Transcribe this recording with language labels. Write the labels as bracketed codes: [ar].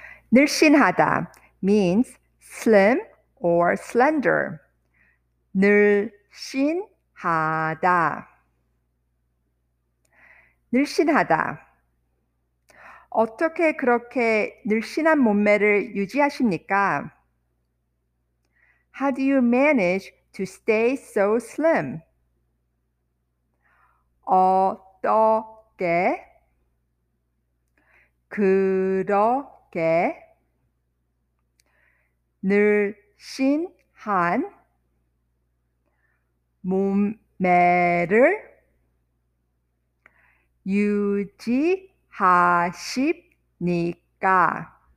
[en] 늘씬하다 means slim or slender. [ko] 늘씬하다. 늘씬하다. 어떻게 그렇게 늘씬한 몸매를 유지하십니까? [en] How do you manage to stay so slim? [ko] 어떻게 그렇게 늘씬한 몸매를 유지하십니까?